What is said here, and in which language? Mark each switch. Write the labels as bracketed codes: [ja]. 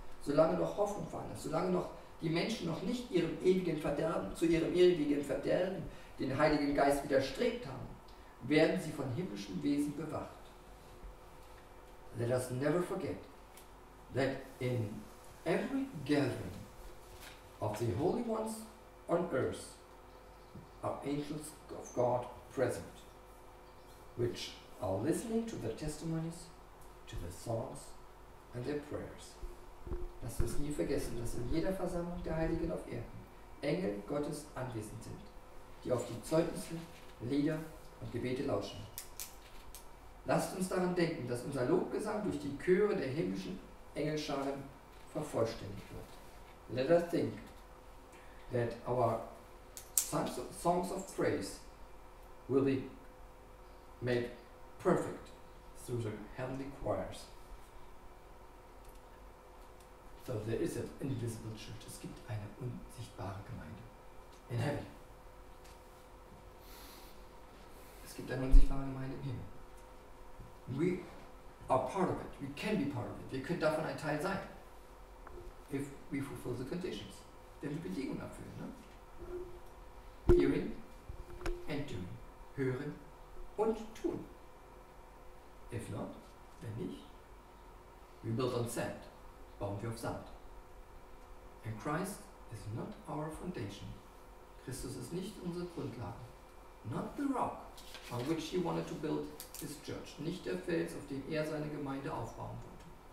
[de] Solange noch Hoffnung vorhanden ist, solange noch die Menschen noch nicht ihrem ewigen Verderben, zu ihrem ewigen Verderben den Heiligen Geist widerstrebt haben, werden sie von himmlischen Wesen bewacht. [en] Let us never forget that in every gathering of the holy ones on earth are angels of God present, which are listening to their testimonies, to their songs and their prayers. [de] Lass uns nie vergessen, dass in jeder Versammlung der Heiligen auf Erden Engel Gottes anwesend sind, die auf die Zeugnisse, Lieder und Gebete lauschen. Lasst uns daran denken, dass unser Lobgesang durch die Chöre der himmlischen Engelscharen vervollständigt wird. [en] Let us think that our songs of praise will be made perfect through the heavenly choirs. So there is an invisible church. [de] Es gibt eine unsichtbare Gemeinde [en] in heaven. [de] Es gibt eine unsichtbare Gemeinde im Himmel. [en] We are part of it. We can be part of it. [de] Wir können davon ein Teil sein. [en] If we fulfill the conditions. [de] Wenn wir Bedingungen erfüllen, ne? [en] Hearing and doing. [de] Hören und tun. [en] If not, [de] wenn nicht, [en] we build on sand. [de] Bauen wir auf Sand. [en] And Christ is not our foundation. [de] Christus ist nicht unsere Grundlage. [en] Not the rock on which he wanted to build his church. [de] Nicht der Fels, auf dem er seine Gemeinde aufbauen wollte.